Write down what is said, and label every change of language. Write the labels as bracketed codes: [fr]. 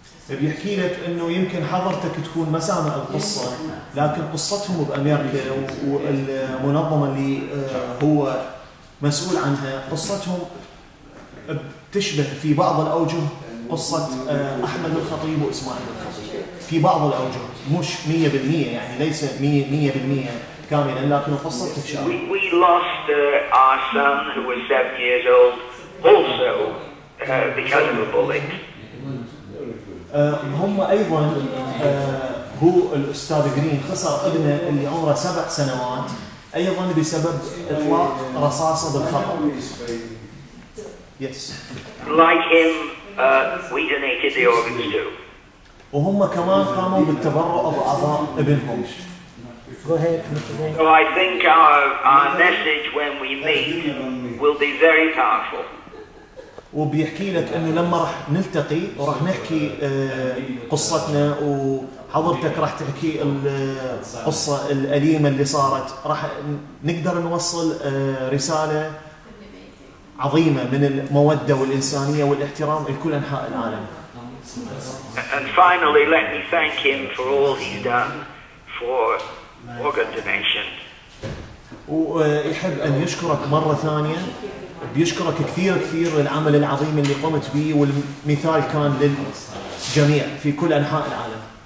[ar] بيحكي لك انه يمكن حضرتك تكون ما سامع القصه لكن قصتهم بامريكا والمنظمه اللي هو مسؤول عنها قصتهم بتشبه في بعض الاوجه قصه احمد الخطيب واسماعيل الخطيب في بعض الاوجه مش 100% يعني ليس 100% كاملا لكن قصتك شابه [en] We lost our son who was 7 years old also because of a bullet [ar] هم ايضا هو الاستاذ جرين خسر ابنه اللي عمره 7 سنوات ايضا بسبب اطلاق رصاصه بالخطأ. [en] Yes. Like him, we donated the organs too. [ar] وهم كمان قاموا بالتبرع باعضاء ابنهم. [en] Go ahead, Mr. So I think our message when we meet will be very powerful. [ar] وبيحكي لك انه لما راح نلتقي وراح نحكي قصتنا وحضرتك راح تحكي القصه الاليمه اللي صارت راح نقدر نوصل رساله عظيمه من الموده والانسانيه والاحترام لكل انحاء العالم. [en] And finally let me thank him for all he's done for organ donation. [ar] ويحب ان يشكرك مره ثانيه بيشكرك كثير كثير للعمل العظيم اللي قمت به والمثال كان للجميع في كل انحاء العالم.